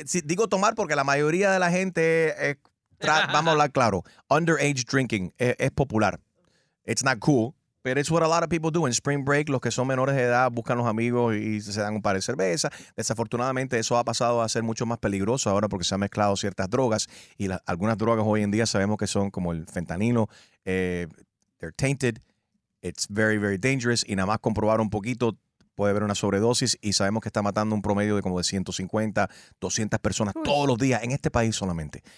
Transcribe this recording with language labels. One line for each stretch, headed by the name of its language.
Spanish: Sí, digo tomar porque la mayoría de la gente, vamos a hablar claro,
English: underage drinking
Spanish: es popular.
English: It's not cool, but it's what a lot of people do in Spring Break.
Spanish: Los que son menores de edad buscan los amigos y se dan un par de cervezas. Desafortunadamente, eso ha pasado a ser mucho más peligroso ahora porque se han mezclado ciertas drogas. Y algunas drogas hoy en día sabemos que son como el fentanilo,
English: they're tainted, it's very, very dangerous,
Spanish: y nada más comprobar un poquito, puede haber una sobredosis, y sabemos que está matando un promedio de como de 150, 200 personas todos los días, en este país solamente.